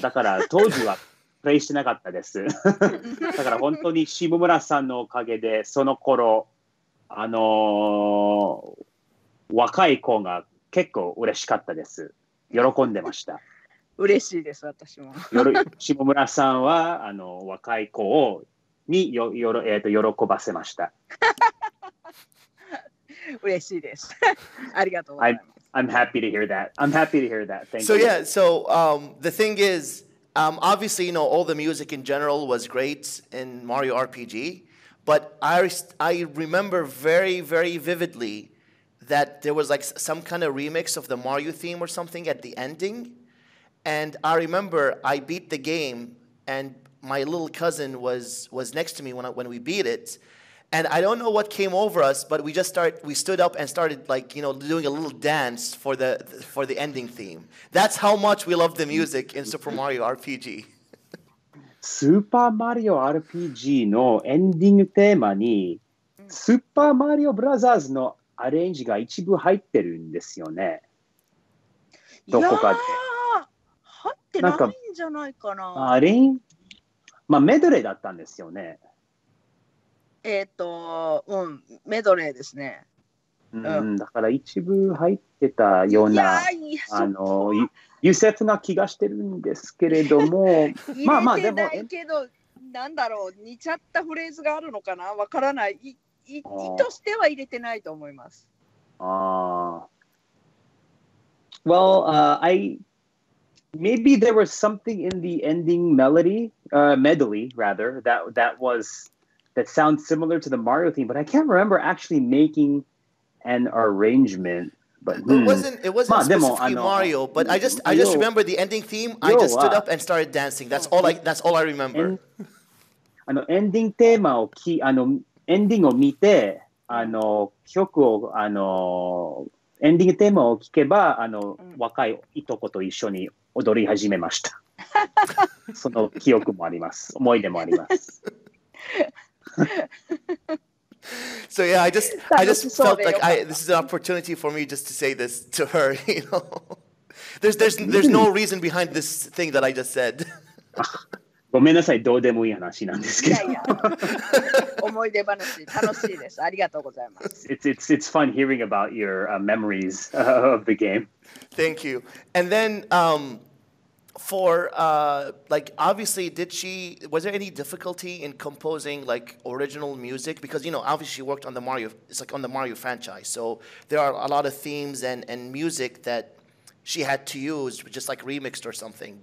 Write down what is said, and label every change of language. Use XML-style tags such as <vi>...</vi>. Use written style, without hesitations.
<ja>だから当時はプレイしてなかったです。だから本当に下村さんのおかげで、その頃、若い子が結構嬉しかったです。喜んでました。嬉しいです、私も。下村さんは若い子をによよろ、喜ばせました。嬉しいです。ありがとうございます。</ja> <en>I'm happy to hear that. I'm happy to hear that. Thank you. So yeah, so the thing is, obviously, you know, all the music in general was great in Mario RPG, but I remember very, very vividly. That there was like some kind of remix of the Mario theme or something at the ending. And I remember I beat the game and my little cousin was next to me when we beat it. And I don't know what came over us, but we stood up and started like, you know, doing a little dance for the ending theme. That's how much we love the music in Super Mario RPG.</en> <ja>スーパーマリオ RPG のエンディングテーマに、スーパーマリオブラザーズのアレンジが一部入ってるんですよね。どこかで。入ってないんじゃないかな。あれ？まあ、メドレーだったんですよね。うん、メドレーですね。うん、だから一部入ってたような、油節な気がしてるんですけれども、入れてないけど、なんだろう、似ちゃったフレーズがあるのかな、わからない、意としては入れてないと思います。</ja> <en>Well, I maybe there was something in the ending melody, medley rather, that was that sounds similar to the Mario theme, but I can't remember actually makingan arrangement, but it wasn't specifically Mario, but I just remember the ending theme. I just stood up and started dancing. That's all I remember.</en> <ja>ending テーマを聞き、エンディングを見て、曲を、エンディングテーマを聞けば、若いいとこと一緒に踊り始めました。その記憶もあります。思い出もあります。</ja> <en>So yeah, I just felt like this is an opportunity for me just to say this to her, you know. There's no reason behind this thing that I just said.</en> <ja>ごめんなさい、どうでもいい話なんですけど。いやいや、思い出話、楽しいです。ありがとうございます。</ja> <en>It's fun hearing about your memories of the game. Thank you. And then for like, obviously, was there any difficulty in composing like original music? Because, you know, obviously she worked on the Mario, it's like on the Mario franchise. So there are a lot of themes and music that she had to use, just like remixed or something.</en>